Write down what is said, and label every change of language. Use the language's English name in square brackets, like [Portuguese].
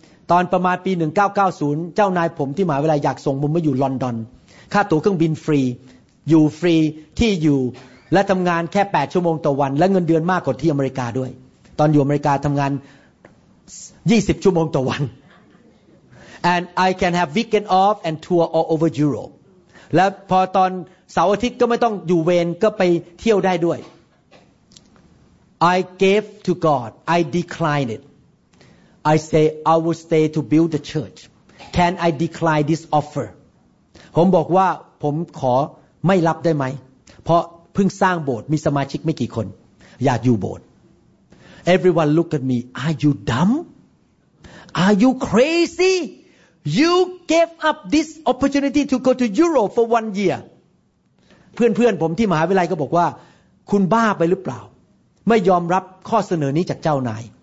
[Thai] ตอนประมาณปี1990เจ้านายผมที่หมายเวลาอยากส่งผมมาอยู่ลอนดอนค่าตั๋วเครื่องบินฟรีอยู่ฟรีที่อยู่และทำงานแค่8ชั่วโมงต่อวันและเงินเดือนมากกว่าที่อเมริกาด้วยตอนอยู่อเมริกาทำงาน20ชั่วโมงต่อวัน [English] And I can have weekend off and tour all over Europe. [Thai] และพอตอนเสาร์อาทิตย์ก็ไม่ต้องอยู่เวรก็ไปเที่ยวได้ด้วย [English] I gave to God. I declined it. I say I will stay to build the church. Can I decline this offer? [Thai] ผมบอกว่าผมขอไม่รับได้ไหมเพราะเพิ่งสร้างโบสถ์มีสมาชิกไม่กี่คนอยากอยู่โบสถ์ [English] Everyone look at me. Are you dumb? Are you crazy? You gave up this opportunity to go to Europe for 1 year. [Thai] เพื่อนๆผมที่มหาวิทยาลัยก็บอกว่าคุณบ้าไปหรือเปล่าไม่ยอมรับข้อเสนอนี้จากเจ้านาย